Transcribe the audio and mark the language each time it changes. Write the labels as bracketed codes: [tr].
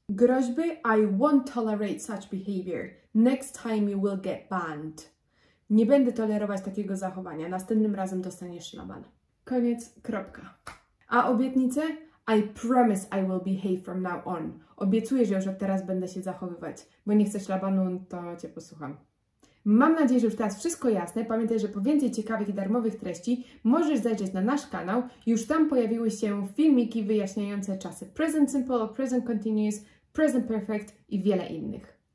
[pl] Groźby? [en] I won't tolerate such behavior. Next time you will get banned. [pl] Nie będę tolerować takiego zachowania. Następnym razem dostaniesz szlaban. Koniec, kropka. A obietnice? [en] I promise I will behave from now on. [pl] Obiecuję, że już od teraz będę się zachowywać. Bo nie chcę szlabanu, to Cię posłucham. Mam nadzieję, że już teraz wszystko jasne. Pamiętaj, że po więcej ciekawych i darmowych treści możesz zajrzeć na nasz kanał. Już tam pojawiły się filmiki wyjaśniające czasy Present Simple, Present Continuous, Present Perfect i wiele innych.